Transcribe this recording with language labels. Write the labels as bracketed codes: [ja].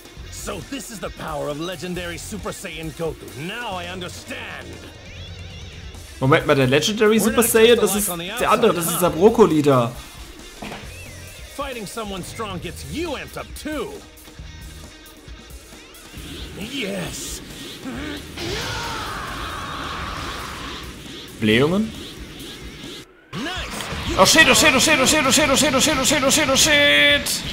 [en] So this is the power of legendary Super Saiyan Goku. Now I understand. [de] Moment mal, der Legendary Super Saiyan, das ist der andere, das ist der Brokkoli da. [en] Fighting someone strong gets you amped up too. Yes. [de] Blähungen? [en] Oh shit, oh shit, oh shit, oh shit, oh shit, oh shit, oh shit, oh shit, oh shit, oh shit!